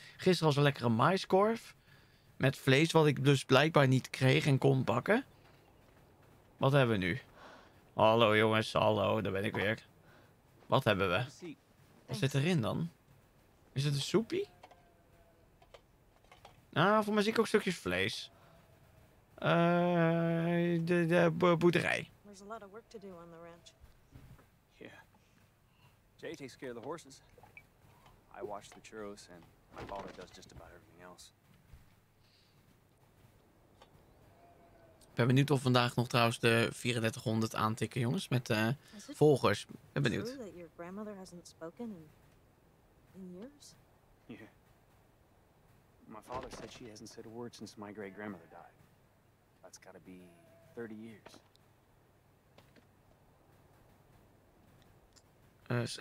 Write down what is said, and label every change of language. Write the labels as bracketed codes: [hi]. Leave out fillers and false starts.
[nl] Gisteren was een lekkere maiskorf. Met vlees wat ik dus blijkbaar niet kreeg en kon bakken. Wat hebben we nu? Hallo jongens, hallo, daar ben ik weer. Wat hebben we? Wat zit erin dan? Is het een soepie? Ah, voor mij zie ik ook stukjes vlees. De boerderij. [en] There's a lot of work to do on the ranch. Yeah. Jay takes care of the horses. I watch the churros and my father does just about everything else. [nl] Ik ben benieuwd of vandaag nog trouwens de 3400 aantikken, jongens, met volgers. Ik ben benieuwd. [en] True that your grandmother hasn't spoken in years? Yeah. My father said she hasn't said a word since my great-grandmother died. That's gotta be 30 years.